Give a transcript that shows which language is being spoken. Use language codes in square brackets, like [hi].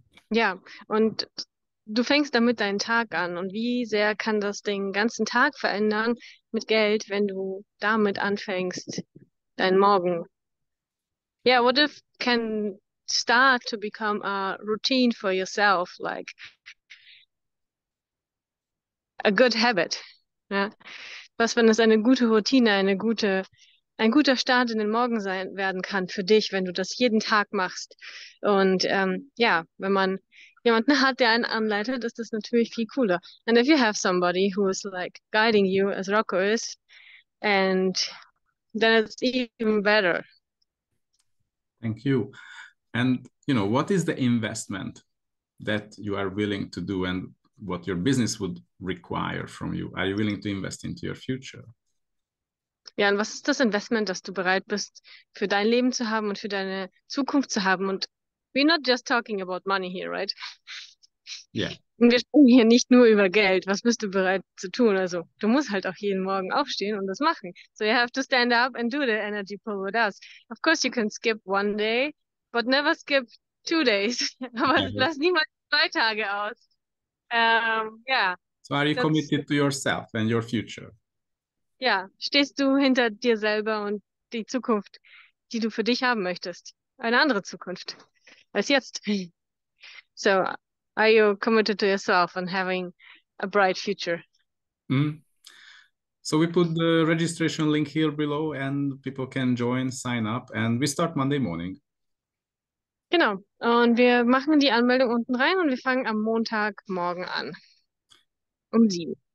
[de] Ja, und du fängst damit deinen Tag an. Und wie sehr kann das den ganzen Tag verändern mit Geld, wenn du damit anfängst, deinen Morgen? [en] Ja, yeah, what if can start to become a routine for yourself, like a good habit? Ja? [de] Was, wenn es eine gute Routine, ein guter Start in den Morgen sein werden kann für dich, wenn du das jeden Tag machst. Und ja, wenn man jemanden hat, der einen anleitet, ist das natürlich viel cooler. [en] And if you have somebody who is like guiding you, as Rocco is, and then it's even better. Thank you. And you know, what is the investment that you are willing to do and what your business would require from you? Are you willing to invest into your future? [de] Ja, und was ist das Investment, das du bereit bist, für dein Leben zu haben und für deine Zukunft zu haben? [en] Und we're not just talking about money here, right? Yeah. [de] Und wir sprechen hier nicht nur über Geld. Was bist du bereit zu tun? Also, du musst halt auch jeden Morgen aufstehen und das machen. [en] So you have to stand up and do the energy pull with us. Of course you can skip one day, but never skip 2 days. [de] Aber lass niemals 2 Tage aus. Yeah, [en] So are you that's... committed to yourself and your future? [de] Ja, stehst du hinter dir selber und die Zukunft, die du für dich haben möchtest? Eine andere Zukunft als jetzt. [en] So, are you committed to yourself and having a bright future? So we put the registration link here below and people can join, sign up, and we start Monday morning. [de] Genau. Und wir machen die Anmeldung unten rein und wir fangen am Montagmorgen an. Um 7.